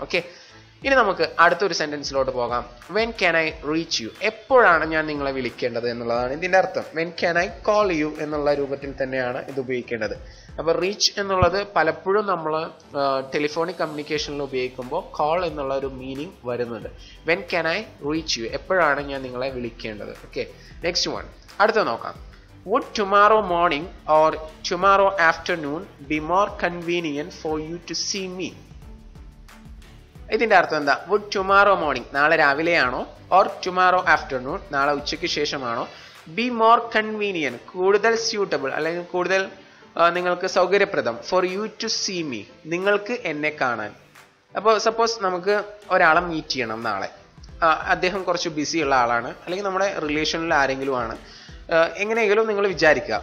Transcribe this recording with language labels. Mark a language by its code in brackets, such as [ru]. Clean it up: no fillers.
[ml] Okay, ഇനി നമുക്ക് അടുത്തൊരു സെൻറ്റൻസിലോട്ട് പോകാം. [en] when can I reach you, [ml] എപ്പോഴാണ് ഞാൻ നിങ്ങളെ വിളിക്കേണ്ടത് എന്നുള്ളതാണ് ഇതിൻ്റെ അർത്ഥം. [en] when can I call you [ml] എന്നുള്ള രൂപത്തിൽ തന്നെയാണ് ഇത് ഉപയോഗിക്കേണ്ടത്. അപ്പോൾ റീച്ച് എന്നുള്ളത് പലപ്പോഴും നമ്മൾ ടെലിഫോണിക് കമ്മ്യൂണിക്കേഷനിൽ ഉപയോഗിക്കുമ്പോൾ കോൾ എന്നുള്ള ഒരു മീനിങ് വരുന്നുണ്ട്. [en] when can I reach you, [ml] എപ്പോഴാണ് ഞാൻ നിങ്ങളെ വിളിക്കേണ്ടത്. ഓക്കെ, [en] next one, [ml] അടുത്ത നോക്കാം. [en] Would tomorrow morning or tomorrow afternoon be more convenient for you to see me? [ml] ഇതിൻ്റെ അർത്ഥം എന്താ? [en] would tomorrow morning, [ml] നാളെ രാവിലെയാണോ, [en] or tomorrow afternoon, [ml] നാളെ ഉച്ചയ്ക്ക് ശേഷമാണോ, [en] be more convenient, [ml] കൂടുതൽ സ്യൂട്ടബിൾ അല്ലെങ്കിൽ കൂടുതൽ നിങ്ങൾക്ക് സൗകര്യപ്രദം, [en] for you to see me, [ml] നിങ്ങൾക്ക് എന്നെ കാണാൻ. അപ്പോൾ സപ്പോസ് നമുക്ക് ഒരാളെ മീറ്റ് ചെയ്യണം നാളെ, അദ്ദേഹം കുറച്ച് ബിസിയുള്ള ആളാണ്, അല്ലെങ്കിൽ നമ്മുടെ റിലേഷനിൽ ആരെങ്കിലും ആണ്, എങ്ങനെയെങ്കിലും നിങ്ങൾ വിചാരിക്കുക.